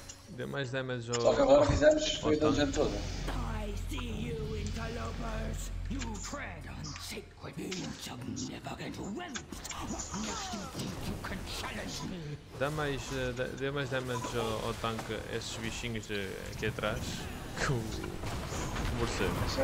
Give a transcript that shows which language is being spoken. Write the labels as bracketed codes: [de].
[pt] Deu mais damage ao... Só que agora fizemos, foi a dungeon toda. [en] I see you, interlopers. You tread on sacred beings of never-end wealth. What makes you think you can challenge me? [pt] Deu mais damage ao tanque esses bichinhos aqui atrás que o morcego.